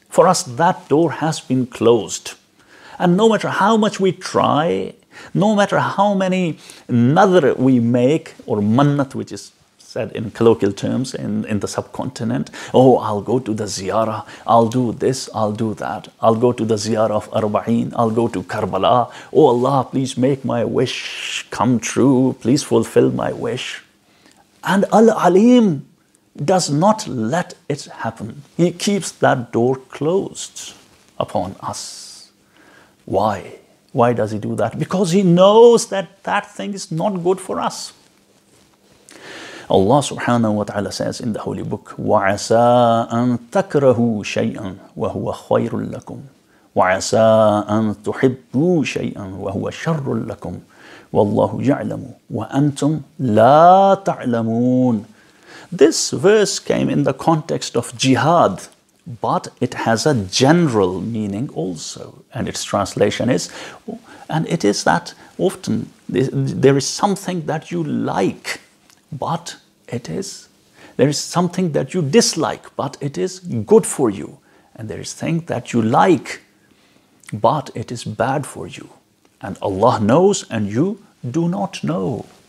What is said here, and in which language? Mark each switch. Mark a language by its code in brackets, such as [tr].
[en] For us, that door has been closed. And no matter how much we try, no matter how many nadr we make, or mannat, which is said in colloquial terms in the subcontinent, oh, I'll go to the ziyarah, I'll do this, I'll do that, I'll go to the ziyarah of Arba'een, I'll go to Karbala, oh Allah, please make my wish come true, please fulfill my wish. And Al-Alim does not let it happen. He keeps that door closed upon us. Why? Why does he do that? Because he knows that that thing is not good for us. Allah subhanahu wa ta'ala says in the Holy Book, [ar] وَعَسَىٰ أَن تَكْرَهُوا شَيْئًا وَهُوَ خَيْرٌ لَكُمْ وَعَسَىٰ أَن تُحِبُّوا شَيْئًا وَهُوَ شَرٌ لَكُمْ وَاللَّهُ يَعْلَمُ وَأَنْتُمْ لَا تَعْلَمُونَ. [en] This verse came in the context of jihad, but it has a general meaning also, and its translation is, and it is that often there is something that you like, but it is, there is something that you dislike, but it is good for you, and there is thing that you like, but it is bad for you, and Allah knows and you do not know.